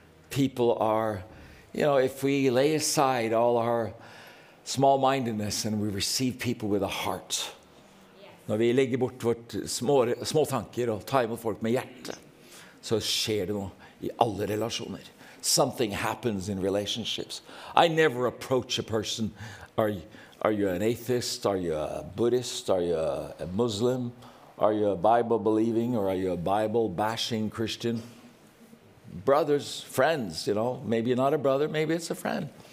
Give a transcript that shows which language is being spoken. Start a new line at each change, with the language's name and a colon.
English: People are, you know, if we lay aside all our small-mindedness and we receive people with a heart.
Norwegian: Når vi legger bort vårt små tanker og tar imot folk med hjerte, så skjer det noe I alle relasjoner.
English: Something happens in relationships. I never approach a person. Are you an atheist? Are you a Buddhist? Are you a Muslim? Are you a Bible-believing or are you a Bible-bashing Christian? Brothers, friends, you know, maybe not a brother, maybe it's a friend.